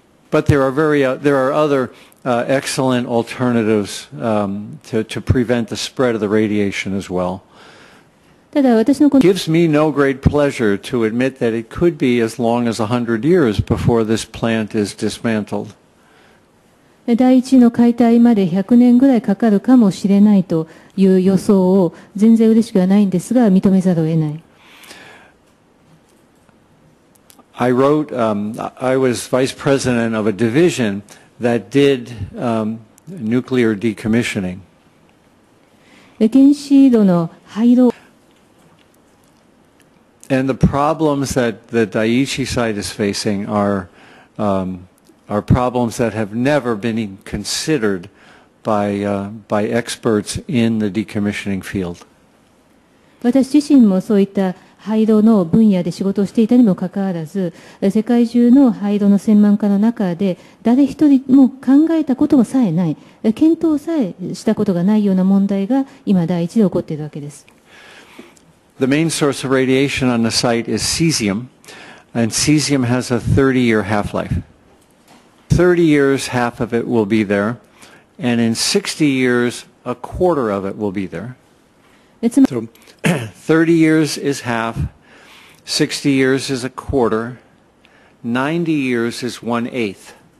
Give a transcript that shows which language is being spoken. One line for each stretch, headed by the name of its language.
English: But there are other excellent alternatives to prevent the spread of the radiation as well. Gives me no great pleasure to admit that it could be as long as 100 years before this plant is dismantled.
Japanese: 第一の解体まで100年ぐらいかかるかもしれないという予想を全然嬉しくはないんですが、認めざるを得ない。
English: I wrote, I was vice president of a division that did nuclear decommissioning.
Japanese: 原子炉の廃炉。
English: And the problems that the Daiichi site is facing are problems that have never been considered by experts in the decommissioning field.
Japanese: 私自身もそういった廃炉の分野で仕事をしていたにもかかわらず、世界中の廃炉の専門家の中で誰一人も考えたこともさえない、検討さえしたことがないような問題が今第一で起こっているわけです。
English: The main source of radiation on the site is cesium, and cesium has a 30-year half-life. 30 years, half of it will be there, and in 60 years, a quarter of it will be there. So 30 years is half, 60 years is a quarter, 90 years is one-eighth.